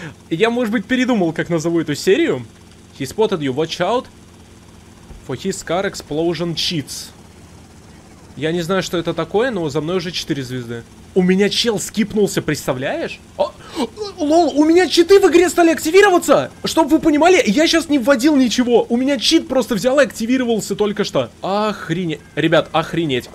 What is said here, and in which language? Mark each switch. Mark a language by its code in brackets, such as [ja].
[ru] я, может быть, передумал, как назову эту серию. [en] He spotted you, watch out for his car explosion cheats. [ru] Я не знаю, что это такое, но за мной уже 4 звезды. У меня чел скипнулся, представляешь? О, лол, у меня читы в игре стали активироваться! Чтоб вы понимали, я сейчас не вводил ничего. У меня чит просто взял и активировался только что. Охренеть. Ребят, охренеть.